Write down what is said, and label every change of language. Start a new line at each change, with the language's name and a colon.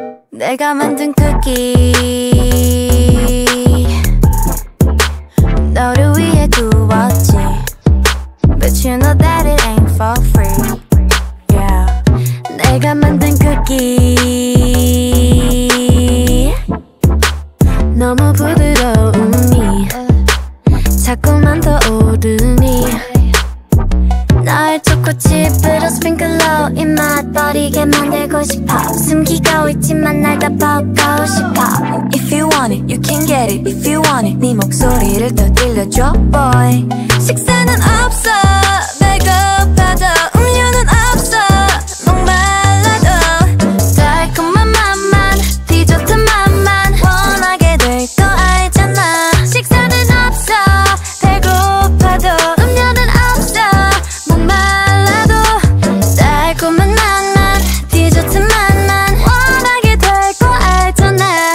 Korean: 내가 만든 쿠키 너를 위해 두었지.
English: But you know that it ain't for free. Yeah.
Korean: 내가 만든 쿠키 너무 부드러우니 자꾸만 더 오르니 날 초코칩으로 스프링클로 입 맛버리게 만들고 싶어 숨기고 있지만 날 다 벗고 싶어
English: If you want it, you can get it If you want it,
Korean: 네 목소리를 더 들려줘,
English: boy
Korean: 식사는 없어, 배고파도 음료는 없어, 목말라도 달콤한 맛만, 디저트 맛만 원하게 될 거 알잖아 식사는 없어, 배고파도 음료는 없어, 목말라도 달콤한 맛만, 디저트 맛만 원하게 될 거 알잖아